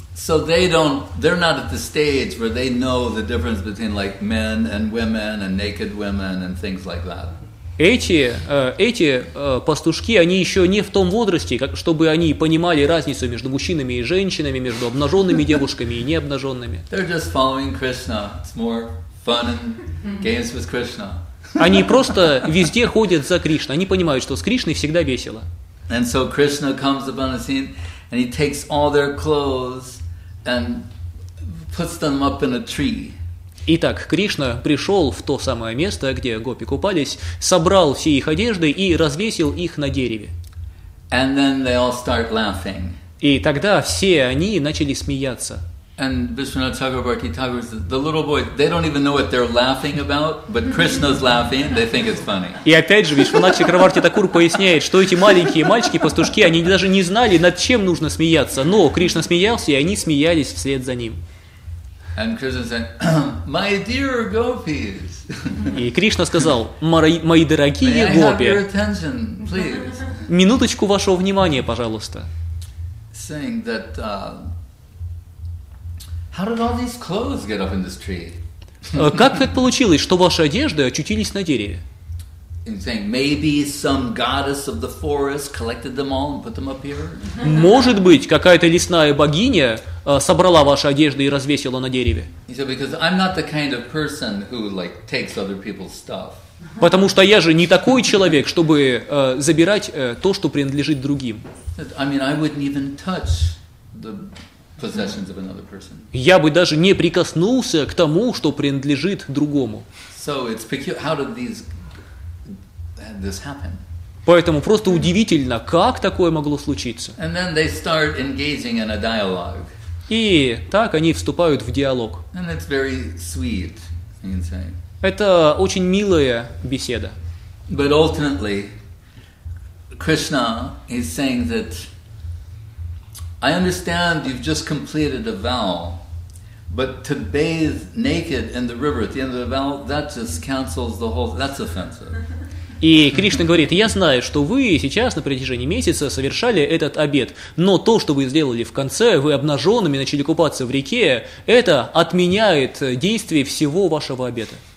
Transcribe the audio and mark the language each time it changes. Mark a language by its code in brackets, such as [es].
[en] So they're not at the stage where they know the difference between like men and women and naked women and things like that. [ru] Эти пастушки, они еще не в том возрасте, чтобы они понимали разницу между мужчинами и женщинами, между обнаженными девушками и необнаженными. [en] They're just following Krishna. It's more fun and games with Krishna. [ru] Они просто везде ходят за Кришной. Они понимают, что с Кришной всегда весело. [en] And so Krishna comes upon the scene and he takes all their clothes and puts them up in a tree. [ru] Итак, Кришна пришел в то самое место, где гопи купались, собрал все их одежды и развесил их на дереве. [en] And then they all start laughing. [ru] И тогда все они начали смеяться. [en] And Vishwanath Chakravarti Thakur, the little boys, they don't even know what they're laughing about, but Krishna's laughing, they think it's funny. [ru] И опять же, Вишванат Чакраварти Такур поясняет, что эти маленькие мальчики, пастушки, они даже не знали, над чем нужно смеяться, но Кришна смеялся, и они смеялись вслед за ним. [en] And Krishna said, my dear gopis. [ru] И Кришна сказал, мои дорогие гопи, [en] may I have your attention, please? [ru] Минуточку вашего внимания, пожалуйста. [en] Saying that, how did all these clothes get up in this tree? [ru] Как так получилось, что ваши одежды очутились на дереве? [en] He's saying maybe some goddess of the forest collected them all and put them up here. [ru] Может быть, какая-то лесная богиня собрала ваши одежды и развесила на дереве. [en] He said because I'm not the kind of person who like takes other people's stuff. [ru] Потому что я же не такой человек, чтобы забирать то, что принадлежит другим. [en] I mean, I wouldn't even touch the possessions of another person. [ru] Я бы даже не прикоснулся к тому, что принадлежит другому. [en] So it's peculiar. How did this happen? [ru] Поэтому просто удивительно, как такое могло случиться. [en] And then they start engaging in a dialogue. [ru] И так они вступают в диалог. [en] And it's very sweet, you can say. [ru] Это очень милая беседа. [en] But ultimately, Krishna is saying that I understand you've just completed a vow, but to bathe naked in the river at the end of the vow, that just cancels the whole, that's offensive. [ru] И Кришна говорит, я знаю, что вы сейчас на протяжении месяца совершали этот обет, но то, что вы сделали в конце, вы обнаженными начали купаться в реке, это отменяет действие всего вашего обета.